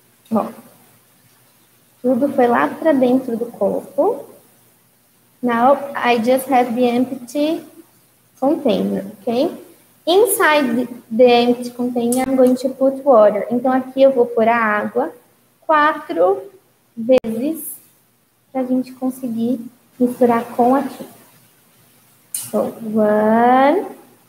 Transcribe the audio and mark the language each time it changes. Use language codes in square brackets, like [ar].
[pt] Bom, tudo foi lá para dentro do copo. [en] Now, I just have the empty container, okay? Inside the empty container, I'm going to put water. [pt] Então, aqui eu vou pôr a água 4 vezes para a gente conseguir misturar com a tinta. [en] So, 1.